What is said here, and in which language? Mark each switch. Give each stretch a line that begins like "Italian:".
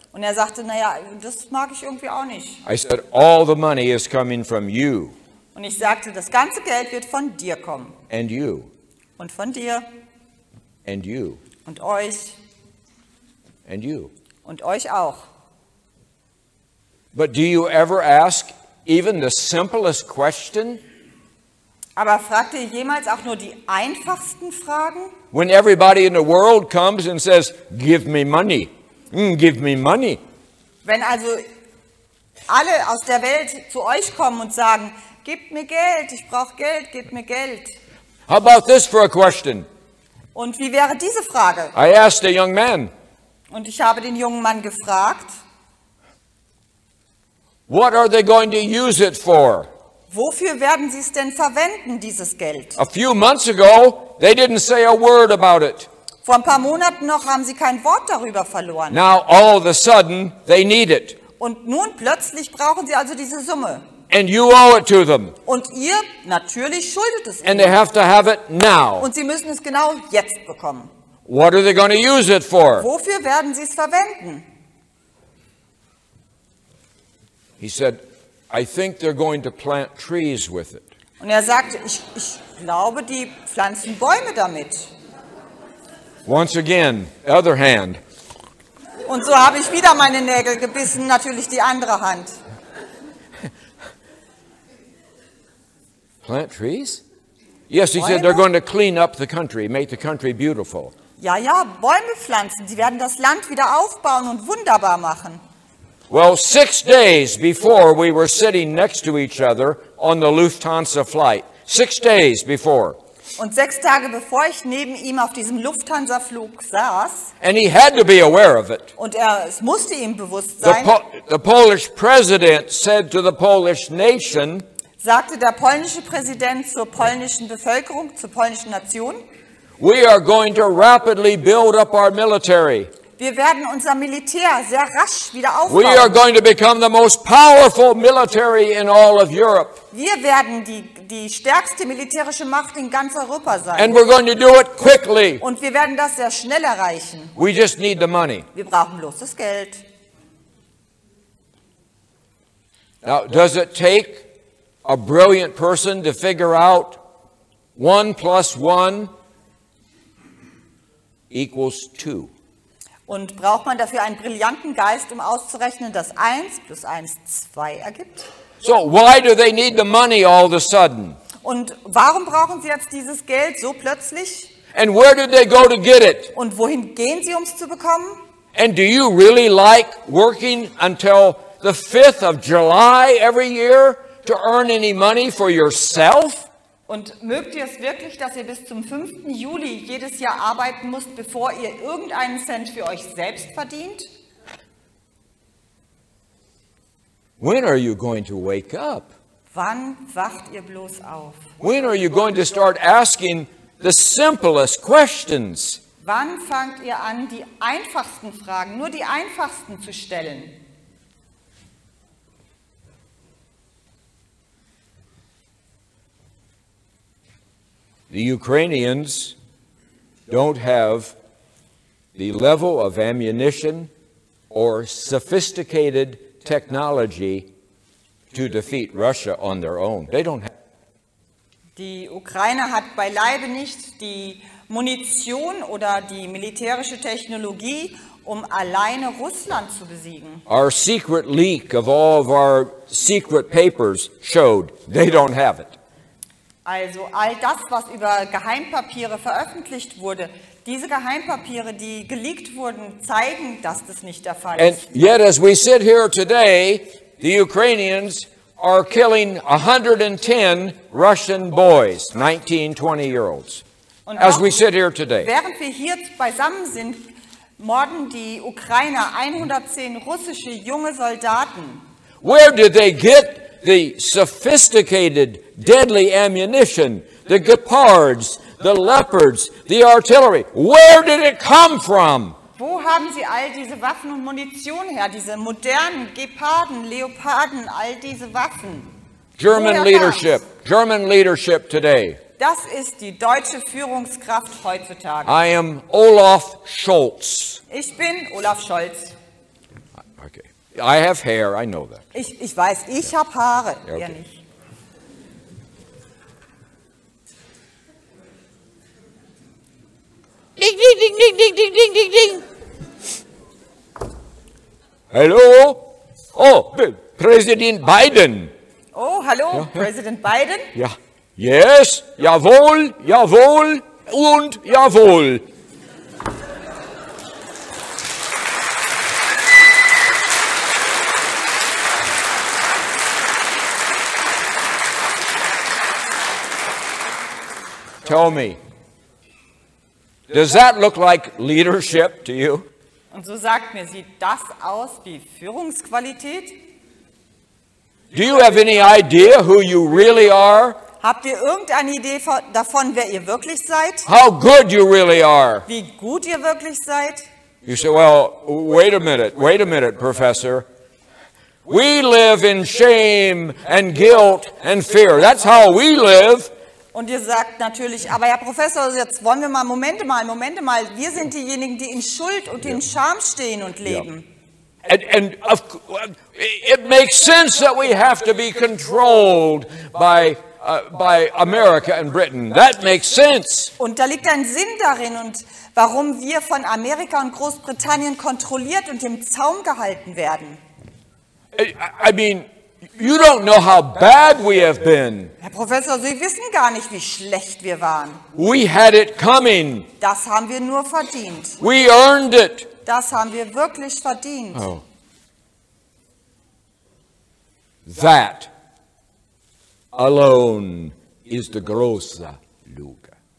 German: Und er sagte, naja, das mag ich irgendwie auch nicht.
English: I said, all the money is coming from you.
German: Und ich sagte, das ganze Geld wird von dir kommen.
English: And you.
German: Und von dir.
English: And you.
German: Und euch.
English: And you.
German: Und euch auch.
English: But do you ever ask even the simplest question?
German: Aber fragt ihr jemals auch nur die einfachsten Fragen?
English: When everybody in the world comes and says, give me money. Give me money.
German: Wenn also alle aus der Welt zu euch kommen und sagen, gib mir Geld, ich brauche Geld, gib mir Geld.
English: How about this for a question?
German: Und wie wäre diese Frage?
English: I asked a young man.
German: Und ich habe den jungen Mann gefragt.
English: What are they going to use it for?
German: Wofür werden sie es denn verwenden, dieses Geld?
English: A few months ago, they didn't say a word about it.
German: Vor ein paar Monaten noch haben sie kein Wort darüber verloren.
English: Now all of a sudden, they need it.
German: Und nun plötzlich brauchen sie also diese Summe.
English: And you owe it to them.
German: Und ihr natürlich schuldet es ihnen.
English: And they have to have it now.
German: Und sie müssen es genau jetzt bekommen.
English: What are they going to use it for?
German: Wofür werden sie es verwenden?
English: He said, I think they're going to plant trees with it.
German: Und er sagte, ich glaube, die pflanzen Bäume damit.
English: Once again, other hand.
German: Und so habe ich wieder meine Nägel gebissen, natürlich die andere Hand.
English: Plant trees? Yes, he said they're going to clean up the country, make the country beautiful.
German: Ja, ja, Bäume pflanzen, sie werden das Land wieder aufbauen und wunderbar machen.
English: Well, 6 days before we were sitting next to each other on the Lufthansa flight. 6 days before.
German: Und 6 Tage bevor ich neben ihm auf diesem Lufthansa-Flug saß.
English: And he had to be aware of it.
German: Und es musste ihm bewusst sein.
English: The Polish president said to the Polish nation.
German: Sagte der polnische Präsident zur polnischen Bevölkerung, zur polnischen Nation.
English: We are going to rapidly build up our military.
German: Wir werden unser Militär sehr rasch wieder aufbauen.
English: We are going to become the most powerful military in all of Europe.
German: Wir werden die stärkste militärische Macht in ganz Europa sein.
English: And we're going to do it quickly.
German: Und wir werden das sehr schnell erreichen.
English: We just need the money.
German: Wir brauchen bloß das Geld.
English: Now, does it take a brilliant person to figure out 1 + 1 = 2?
German: Und braucht man dafür einen brillanten Geist, um auszurechnen, dass 1 plus 1 2 ergibt?
English: So why do they need the money all of a sudden?
German: Und warum brauchen sie jetzt dieses Geld so plötzlich?
English: And where did they go to get it?
German: Und wohin gehen sie, um es zu bekommen?
English: And do you really like working until the 5th of July every year to earn any money for yourself?
German: Und mögt ihr es wirklich, dass ihr bis zum 5. Juli jedes Jahr arbeiten müsst, bevor ihr irgendeinen Cent für euch selbst verdient?
English: When are you going to wake up?
German: Wann wacht ihr bloß auf?
English: When are you going to start asking the simplest questions?
German: Wann fangt ihr an, die einfachsten Fragen, nur die einfachsten zu stellen?
English: The Ukrainians don't have the level of ammunition or sophisticated technology to defeat Russia on their own. They don't have.
German: Die Ukraine hat beileibe nicht die Munition oder die militärische Technologie, um alleine Russland zu besiegen.
English: Our secret leak of all of our secret papers showed they don't have it.
German: Also all das, was über Geheimpapiere veröffentlicht wurde, diese Geheimpapiere, die geleakt wurden, zeigen, dass das nicht der Fall ist.
English: And yet as we sit here today, the Ukrainians are killing 110 Russian boys, 19, 20 year olds. Und as we sit here today.
German: Während wir hier beisammen sind, morden die Ukrainer 110 russische junge Soldaten.
English: Where did they get the sophisticated deadly ammunition, the Gepards, the Leopards, the artillery. Where did it come from?
German: Wo haben sie all diese Waffen und Munition her? Diese modernen Geparden, Leoparden, all diese Waffen.
English: German leadership today.
German: Das ist die deutsche Führungskraft heutzutage.
English: I am Olaf Scholz.
German: Ich bin Olaf Scholz.
English: Okay. I have hair, I know that.
German: Ich weiß, ich habe Haare, okay. Ihr nicht. Ding, ding, ding, ding, ding, ding, ding, ding, ding. Hallo? Oh, Präsident Biden. Oh, hallo, ja. Präsident Biden. Ja. Yes, jawohl, jawohl und jawohl.
English: Tell me, does that look like leadership to you?
German: Und so sagt mir, sieht das aus wie Führungsqualität?
English: Do you have any idea who you really are?
German: Habt ihr irgendeine Idee davon, wer ihr wirklich seid?
English: How good you really are.
German: Wie gut ihr wirklich seid?
English: You say, well, wait a minute, professor. We live in shame and guilt and fear. That's how we live.
German: Und ihr sagt natürlich, aber Herr Professor, jetzt wollen wir mal, Momente mal, Momente mal. Wir sind diejenigen, die in Schuld und in Scham stehen und leben.
English: And of, it makes sense that we have to be controlled by America and Britain. That makes sense.
German: Und da liegt ein Sinn darin und warum wir von Amerika und Großbritannien kontrolliert und im Zaum gehalten werden.
English: I mean, you don't know how bad we have been.
German: Herr Professor, Sie wissen gar nicht, wie schlecht wir waren.
English: We had it coming.
German: Das haben wir nur verdient.
English: We earned it.
German: Das haben wir wirklich verdient. Oh.
English: That alone is the
German: große Lüge.